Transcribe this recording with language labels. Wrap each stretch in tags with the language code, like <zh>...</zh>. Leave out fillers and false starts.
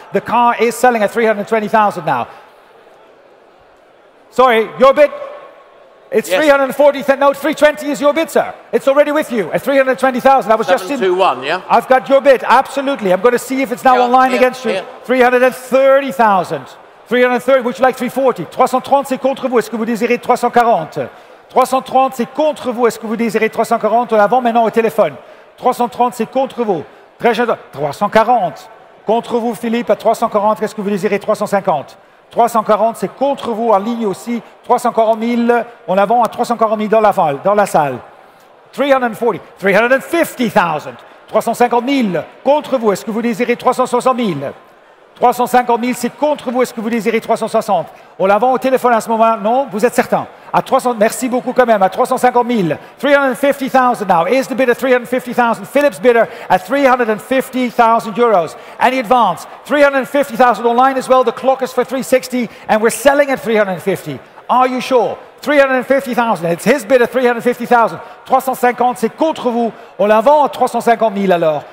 <en>The car is selling at 320,000 now. Sorry, your bid? It's yes. 340, no, 320 is your bid, sir. It's already with you at 320,000. I was just in. 721, yeah? I've got your bid, absolutely. I'm going to see if it's now online against you. 330,000. 330, would you like 340?</en> <fr>330, c'est contre vous. Est-ce que vous désirez 340? 330, c'est contre vous. Est-ce que vous désirez 340? Avant, maintenant, au téléphone. 330, c'est contre vous. Très gentil. 340. Contre vous, Philippe, à 340. Qu'est-ce que vous désirez 350? 340, c'est contre vous en ligne aussi. 340 000 en avant, à 340 000 dans la salle. 340, 350,000. 350 000 contre vous, est-ce que vous désirez 360 000? 350 000, c'est contre vous, est-ce que vous désirez 360? On l'a vend au téléphone à ce moment, non? Vous êtes certain? À 300, merci beaucoup quand même, à 350 000.</fr> <en>350,000 now, is the bidder 350,000? Philip's bidder at 350,000 euros. Any advance? 350,000 online as well, the clock is for 360, and we're selling at 350. Are you sure? 350,000, it's his bid at 350,000.</en> <fr>350, c'est contre vous, on l'a vend à 350 000 alors.</fr>